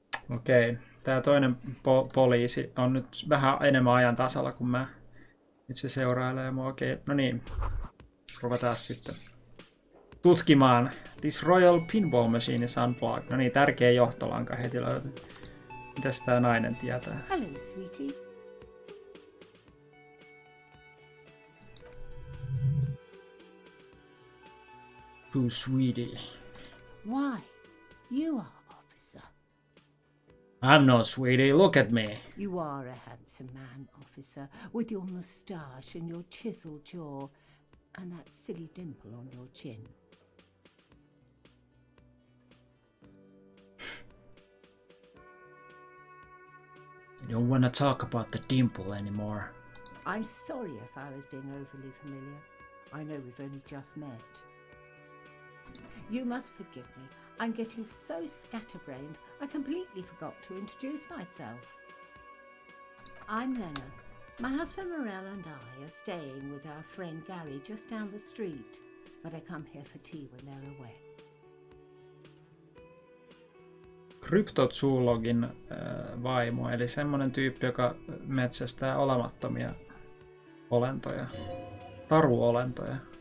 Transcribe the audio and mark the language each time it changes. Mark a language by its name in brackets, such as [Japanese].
[Finnish] Okei, tää toinen poliisi on nyt vähän enemmän ajan tasalla kuin mä. Nyt se seurailee mua. Okei, no niin. Ruvetaan sitten tutkimaan. [English] This Royal Pinball Machine is unplugged. [Finnish] No niin, tärkeä johtolanka heti löytyy. Mitäs tää nainen tietää? [English] Hello, sweetie. Too sweetie. Why? You are, officer. I'm no sweetie. Look at me. You are a handsome man, officer, with your moustache and your chiseled jaw. And that silly dimple on your chin. You don't want to talk about the dimple anymore. I'm sorry if I was being overly familiar. I know we've only just met. You must forgive me. I'm getting so scatterbrained, I completely forgot to introduce myself. I'm Lena. My husband Morel and I are staying with our friend Gary just down the street, but I come here for tea when they're away. [Finnish] kryptozoologin vaimo, eli semmoinen tyyppi, joka metsästää olemattomia olentoja, taruolentoja.